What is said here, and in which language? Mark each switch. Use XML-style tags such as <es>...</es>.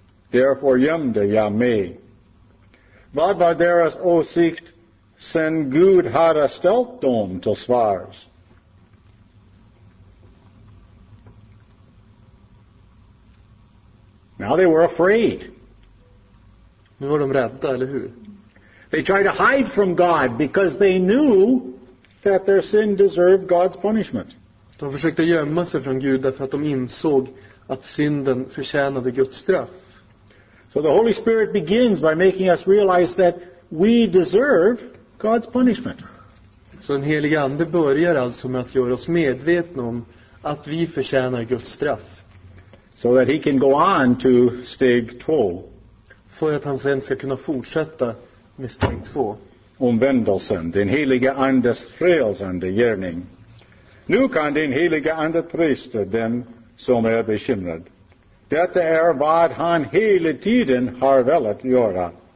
<sv>Därför gömde jag mig." Vad var deras åsikt sen Gud hade ställt dem till svars?</sv> <en>Now they were afraid.</en> <sv>Nu var de rädda, eller hur?</sv> <en>They tried to hide from God because they knew that their sin deserved God's punishment.</en> <sv>De försökte gömma sig från Gud därför att de insåg att synden förtjänade Guds straff.</sv> <en>So the Holy Spirit begins by making us realize that we deserve God's punishment.</en> <sv>Så den helige ande börjar alltså med att göra oss medvetna om att vi förtjänar Guds straff.</sv> <en>So that he can go on to</en> <sv>steg 2. För att han sen ska kunna fortsätta med steg 2. Omvändelsen, den helige andes frälsande gärning. Nu kan den helige ande trösta den som är bekymrad. Detta är vad han hela tiden har velat göra.</sv>